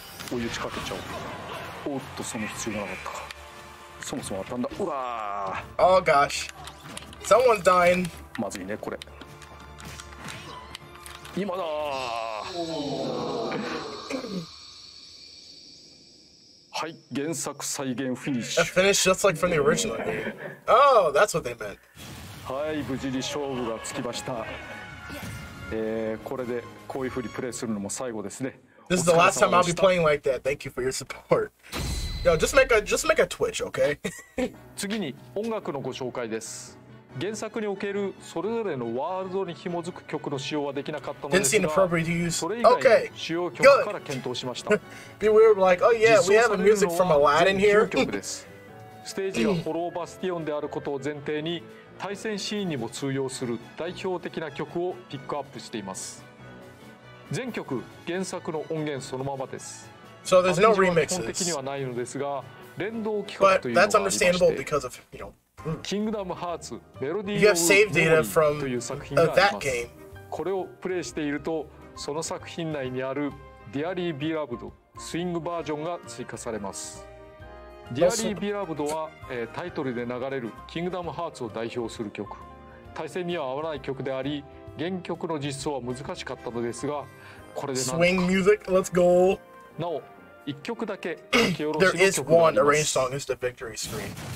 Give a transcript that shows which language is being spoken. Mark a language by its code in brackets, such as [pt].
[ja] 追い打ちかけちゃおうおっとその必要がなかったかそもそも当たんだうわ [en] ー Oh gosh Someone's dying [ja] まずいねこれ今だはい、原作再現フィニッシュ。 [en] A finish just like from the original. Oh, that's what they meant. [ja] はい、無事に勝負がつきました。これでこういうふうにプレイするのも最後ですね。 [en] This is the last time I'll be playing like that. Thank you for your support. Yo, just make a Twitch, okay? [ja] 次に音楽のご紹介です。原作におけるそれぞれのワールドに紐づく曲の使用はできなかったのですが、それ以外の主要曲から検討しました。 [en] Be weird like, oh yeah, we have a music from Aladdin here. [ja] ステージがホローバスティオンであることを前提に、対戦シーンにも通用する代表的な曲をピックアップしています。全曲原作の音源そのままです。 [en] So there's no remixes. [ja] 基本的にはないのですが、連動企画というのがありまして。 [en] But that's understandable because of, you know. Kingdom Hearts Melody of Memory [ja] という作品があります。 [en] You have saved data from that game. [ja] これをプレイしていると、その作品内にある Dearly Beloved スイングバージョンが追加されます。 Dearly Beloved は、タイトルで流れる Kingdom Hearts を代表する曲。対戦には合わない曲であり、原曲の実装は難しかったのですが、これでなんとか。 [en] Swing music, let's go. [ja] なお、一曲だけ書き下ろしの曲があります。 [en] There is one arranged song, it's the Victory Scream.